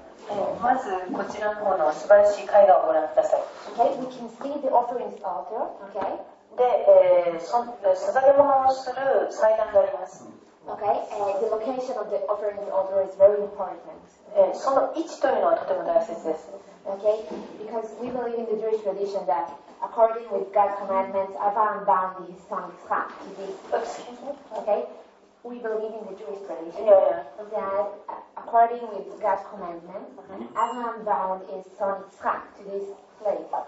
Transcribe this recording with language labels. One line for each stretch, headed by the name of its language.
Japanese: まずこちらの方の素晴らしい絵画をご覧ください。
English: Okay, we can see the offering altar. Okay.
Japanese: で、捧げ物をする祭壇があります。
English: Okay, the location of the offering altar is very important.
Japanese: その位置というのはとても大切です。
English: Okay, because we believe in the Jewish tradition that according with God's commandments, Avraham bound his son Isaac to this. Okay, we believe in the Jewish tradition that according with God's commandments, Avraham bound his son Isaac to this place.